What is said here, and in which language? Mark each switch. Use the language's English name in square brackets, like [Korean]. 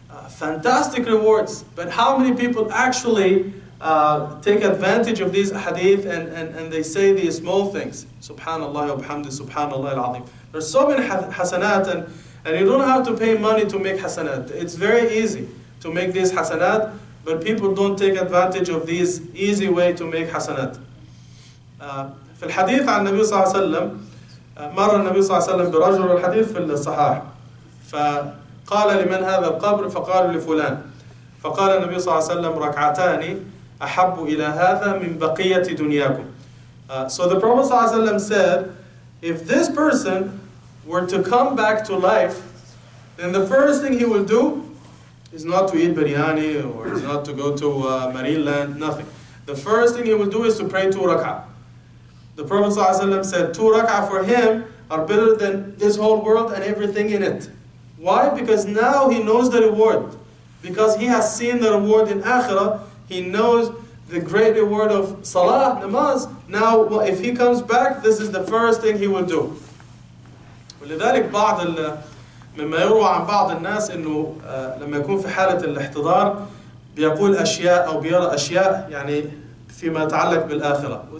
[English] Fantastic rewards. But how many people actually take advantage of these hadith and they say these small things? Subhanallah, alhamdulillah, subhanallah al-azim. There's so many hasanat and you don't have to pay money to make hasanat. It's very easy to make these hasanat, but people don't take advantage of these easy way to make hasanat. [Arabic] في الحديث عن النبي صلى الله عليه وسلم مر النبي صلى الله عليه وسلم برجل الحديث في الصحاح فقال لمن هذا القبر فقال لفلان فقال النبي صلى الله عليه وسلم ركعتان أحب إلى هذا من بقية دنياكم [English] So the Prophet صلى الله عليه وسلم said if this person were to come back to life then the first thing he will do is not to eat biryani or is not to go to Maryland, nothing. The first thing he will do is to pray two rak'ah. The Prophet ﷺ said, two rak'ah for him are better than this whole world and everything in it. Why? Because now he knows the reward. Because he has seen the reward in Akhirah, he knows the great reward of Salah, Namaz. Now, well, if he comes back, this is the first thing he will do. [Arabic] ولذلك بعض مما يروى عن بعض الناس إنه لما يكون في حالة الاحتضار بيقول أشياء أو بيرى أشياء يعني فيما يتعلق بالآخرة.